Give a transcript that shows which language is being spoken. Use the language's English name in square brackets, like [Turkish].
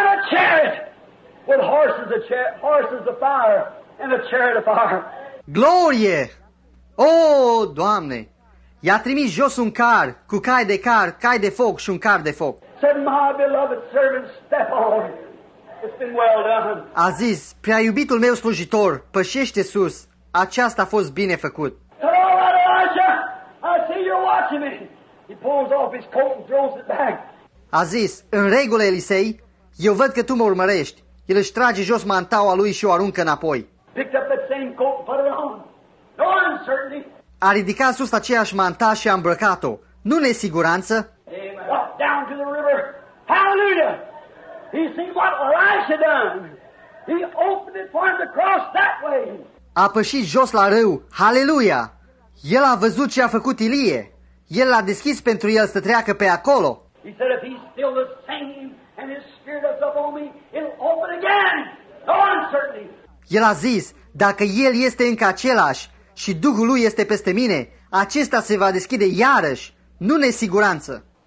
[English] horses of fire and the chariot of fire. [Romanian] Glorie! Oh, Doamne! I-a trimis jos un car, cu cai de car, cai de foc și un car de foc. [English] Said my beloved servant, step on. It's been well done. [Romanian] A zis, prea iubitul meu slujitor, pășește sus. Aceasta a fost bine făcut. [English] Hello, Elijah! I see you're watching me. He pulls off his coat and throws it back. [Romanian] A zis, în regulă, Elisei, eu văd că tu mă urmărești. El își trage jos mantaua lui și o aruncă înapoi. [English] Picked up that same coat and put it on. No uncertainty. [Romanian] A ridicat sus aceeași manta și a îmbrăcat-o. Nu nesiguranță. [English] Down to the river. Hallelujah! He seen what Elisha done. He opened it for him to cross that way. [Romanian] A pășit jos la râu. Hallelujah! El a văzut ce a făcut Ilie. El l-a deschis pentru el să treacă pe acolo. [English] He said, if he's still the same and his spirit is up on me, it'll open again. No uncertainty. [Romanian] El a zis, dacă el este încă același și Duhul lui este peste mine, acesta se va deschide iarăși, nu nesiguranță.